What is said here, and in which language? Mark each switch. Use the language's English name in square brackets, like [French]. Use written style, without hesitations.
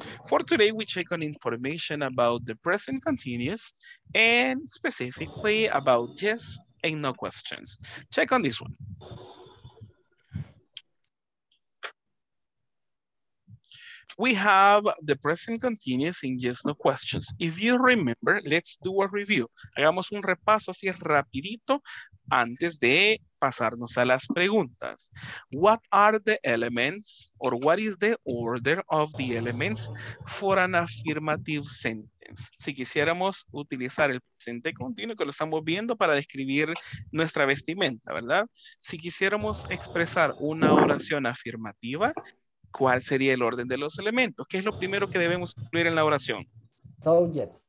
[English] For today, we check on information about the present continuous and specifically about yes and no questions. Check on this one. We have the present continuous in yes, no questions. If you remember, let's do a review. [Spanish] Hagamos un repaso así rapidito antes de pasarnos a las preguntas. [English] What are the elements or what is the order of the elements for an affirmative sentence? [Spanish] Si quisiéramos utilizar el presente continuo que lo estamos viendo para describir nuestra vestimenta, ¿verdad? Si quisiéramos expresar una oración afirmativa, ¿cuál sería el orden de los elementos? ¿Qué es lo primero que debemos incluir en la oración? [English] Subject.